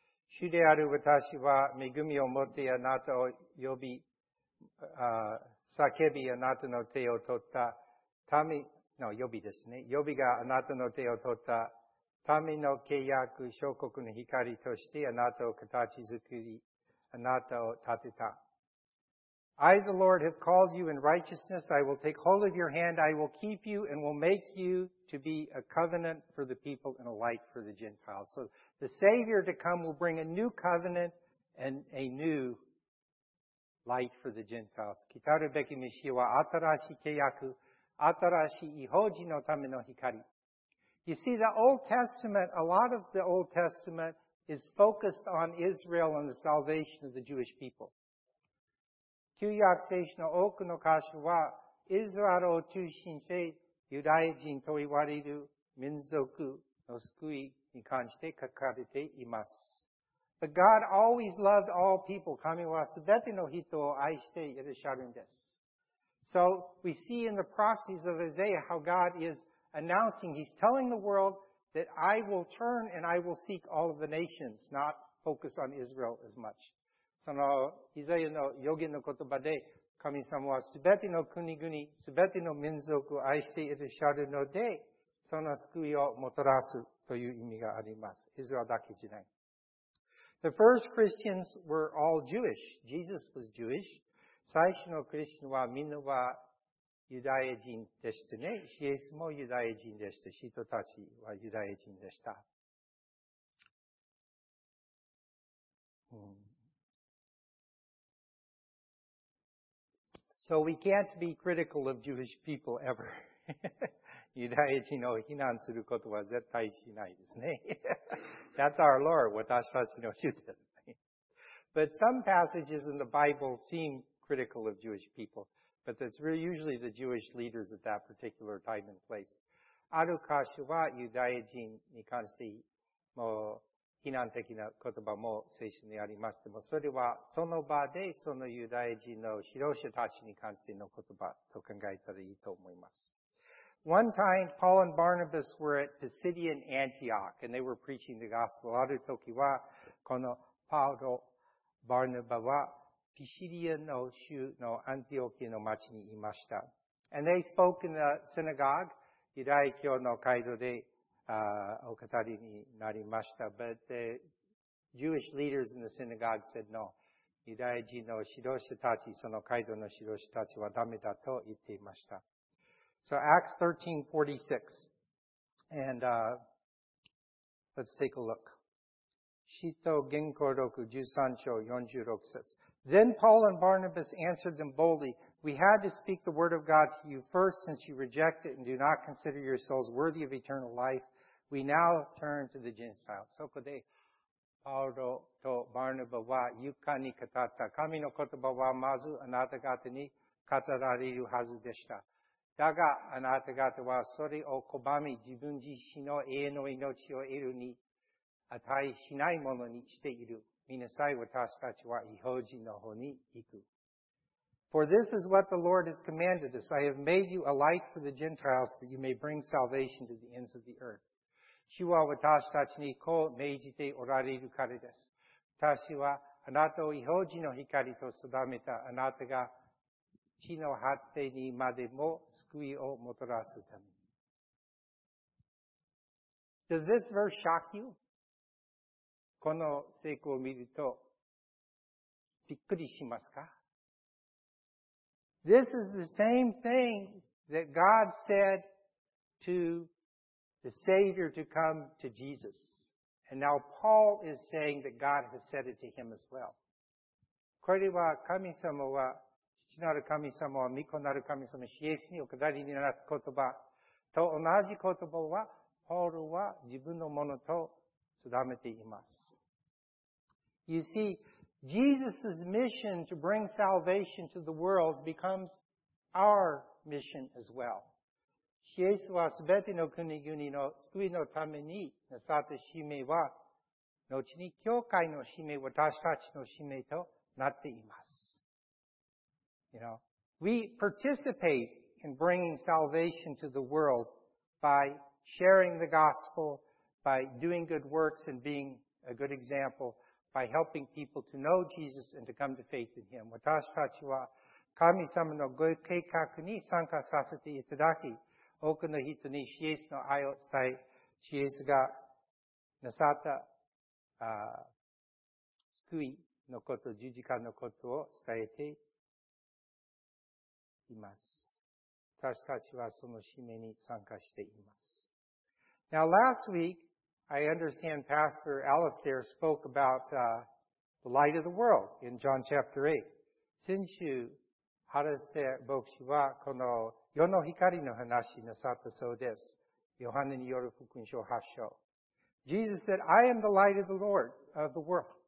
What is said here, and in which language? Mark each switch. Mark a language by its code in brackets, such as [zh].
[ja] 主である私は恵みを持ってあなたを呼び、叫びあなたの手を取った民の呼びですね。呼びがあなたの手を取った民の契約、諸国の光としてあなたを形作り、あなたを立てた。 [en] I, the Lord, have called you in righteousness. I will take hold of your hand. I will keep you and will make you to be a covenant for the people and a light for the Gentiles. So the Savior to come will bring a new covenant and a new light for the Gentiles. [ja] 来たるべき召しは新しい契約、新しい異邦人のための光。 [en] You see, the Old Testament, a lot of the Old Testament is focused on Israel and the salvation of the Jewish people. [ja] 旧約聖書の多くの箇所は、イスラエルを中心して、ユダヤ人と言われる民族の救いに関して書かれています。 [en] But God always loved all people. [ja] 神はすべての人を愛していらっしゃるんです。 [en] So, we see in the prophecies of Isaiah how God is announcing, He's telling the world that I will turn and I will seek all of the nations, not focus on Israel as much. [ja] そのイザヤの予言の言葉で神様はすべての国々、すべての民族を愛していらっしゃるので、その救いをもたらすという意味があります。イザヤだけじゃない。 [en] The first Christians were all Jewish. Jesus was Jewish. [ja] 最初のクリスチャンはみんなはユダヤ人でしたね。イエスもユダヤ人でした。人たちはユダヤ人でした。 [en] So we can't be critical of Jewish people ever. [ja] ユダヤ人を非難することは絶対しないですね。 [en] That's our Lord, [ja] 私たちの主です。 [en] But some passages in the Bible seem critical of Jewish people, but that's really usually the Jewish leaders at that particular time and place. [ja] ある箇所はユダヤ人に関してもう非難的な言葉も聖書にあります。でもそれはその場でそのユダヤ人の指導者たちに関しての言葉と考えたらいいと思います。 [en] One time, Paul and Barnabas were at Pisidian Antioch, and they were preaching the gospel. [ja] ある時は、このパウロ・バルナバは、ピシディアの州のアンティオキの町にいました。 [en] And they spoke in the synagogue, [ja] ユダヤ教の会堂で、お語りになりました。 [en] But the Jewish leaders in the synagogue said no. [ja] ユダヤ人の指導者たち、その街道の指導者たちはダメだと言っていました。 [en] So Acts 13:46. And, let's take a look. [ja] 使徒言行録13章46節。 [en] Then Paul and Barnabas answered them boldly, We had to speak the word of God to you first since you reject it and do not consider yourselves worthy of eternal life. We now turn to the Gentiles. [ja] そこで、パウロとバルナバは床に語った。神の言葉はまずあなた方に語られるはずでした。だがあなた方はそれを拒み、自分自身の永遠の命を得るに値しないものにしている。みなさい、私たちは異邦人の方に行く。 [en] For this is what the Lord has commanded us. I have made you a light for the Gentiles that you may bring salvation to the ends of the earth. [ja] 主は私たちにこう命じておられるからです。私はあなたを異邦人の光と定めたあなたが地の果てにまでも救いをもたらすため。 [en] Does this verse shock you? [ja] この聖句を見るとびっくりしますか? [en] This is the same thing that God said toThe Savior to come to Jesus. And now Paul is saying that God has said it to him as well. [ja] これは神様は、父なる神様は、御子なる神様、イエスにお語りになった言葉と同じ言葉は、パウロは自分のものと定めています。 [en] You see, Jesus' mission to bring salvation to the world becomes our mission as well. [ja] イエスはすべての国々の救いのためになさった使命は後に教会の使命、私たちの使命となっています。 [en] You know, we participate in bringing salvation to the world by sharing the gospel, by doing good works and being a good example, by helping people to know Jesus and to come to faith in Him. [ja] 私たちは神様のご計画に参加させていただき、多くの人にイエスの愛を伝え、イエスがなさった救いのこと、十字架のことを伝えています。私たちはその使命に参加しています。 [en] Now, last week, I understand Pastor Alistair spoke about the light of the world in John chapter 8. [ja] 先週、ハルステ牧師はこの世の光の話なさったそうです。ヨハネによる福音書8章。 [en] Jesus said, I am the light of the Lord of the world.